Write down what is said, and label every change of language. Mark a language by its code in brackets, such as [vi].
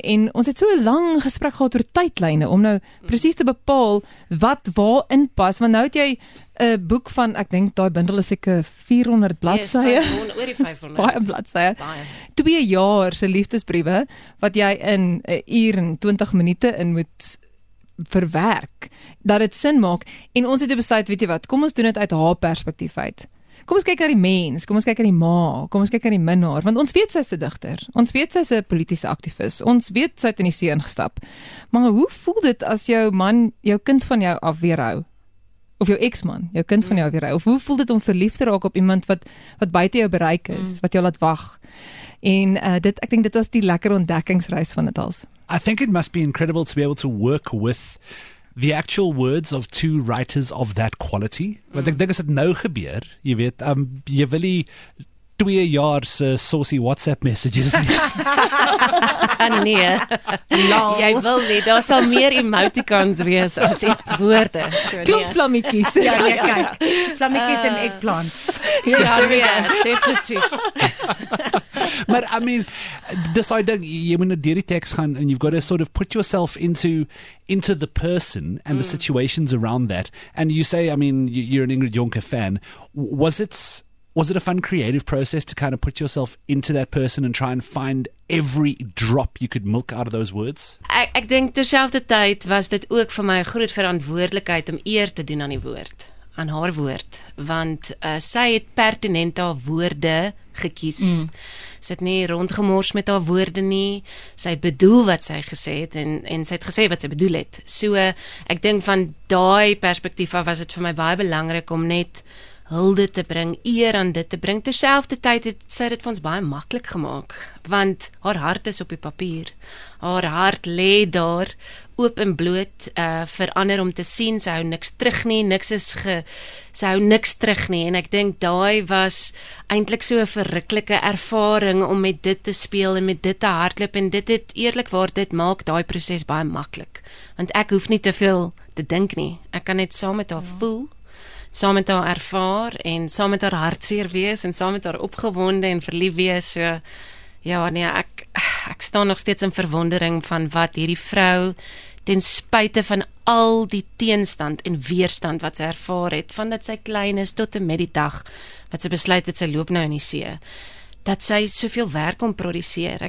[af] En ons het so 'n lang gesprek gehad oor tydlyne om nou presies te bepaal wat waar in pas, want nou het jy 'n boek van, ek dink daai bundel is seker 400 bladsye. Yes, oor die 500. Baie bladsye. 2 jaar se liefdesbriewe wat jy in 'n uur en 20 minute in moet verwerk, dat dit sin maak. En ons het besluit, weet jy wat, kom ons doen dit uit haar perspektief uit. Kom ons kyk na die mens, kom ons kyk na die ma, kom ons kyk na die minnaar, want ons weet sy is 'n digter, ons weet sy is 'n politiese aktivis, ons weet sy het in die see ingestap. Maar hoe voel dit as jou man jou kind van jou af weerhou? Of jou ex-man, jou kind van jou weerhou? Of hoe voel dit om verlief te raak op iemand wat buite jou bereik is, wat jou laat wag? En dit, ek dink dit was die lekker ontdekkingsreis van dit als. [en] I think it must be incredible to be able to work with the actual words of two writers of that quality. [af] Want ek dink as dit nou gebeur, jy weet, jy wil nie 2 jaar se [en] saucy WhatsApp messages [af] nie. [en] Lol. [af] Jy wil nie, daar sal meer emoticons wees as die woorde. Klop flammetjies. Ja, nee, kyk. Flammetjies en eggplants. Ja, nee, definitief. [en] But I mean, deciding you when you do the text and you've got to sort of put yourself into the person and the situations around that. And you say, I mean, you're an Ingrid Jonker fan. Was it a fun creative process to kind of put yourself into that person and try and find every drop you could milk out of those words? [af] Ek dink terselfdertyd was dit ook vir my 'n groot verantwoordelikheid om eer te doen aan die woord, aan haar woord, want sy het pertinent haar woorde gekies. Sy het nie rondgemors met haar woorde nie. Sy het bedoel wat sy gesê het en sy het gesê wat sy bedoel het. So ek dink van daai perspektief af was dit vir my baie belangrik om net hulde te bring, eer aan dit te bring. Terselfdertyd het sy dit vir ons baie maklik gemaak, want haar hart is op die papier. Haar hart lê daar oop en bloot vir ander om te sien. Sy hou niks terug nie, sy hou niks terug nie. En ek dink daai was eintlik so 'n verruklike ervaring om met dit te speel en met dit te hardloop. En dit het eerlikwaar, dit maak daai proses baie maklik. Want ek hoef nie te veel te dink nie. Ek kan net saam met haar voel, saam met haar ervaar en saam met haar hartseer wees en saam met haar opgewonde en verlief wees. So ja, nee, ek staan nog steeds in verwondering van wat hierdie vrou, ten spyte van al die teenstand en weerstand wat sy ervaar het, van dat sy klein is tot en met die dag wat sy besluit het sy loop nou in die see, dat sy soveel werk om produseer.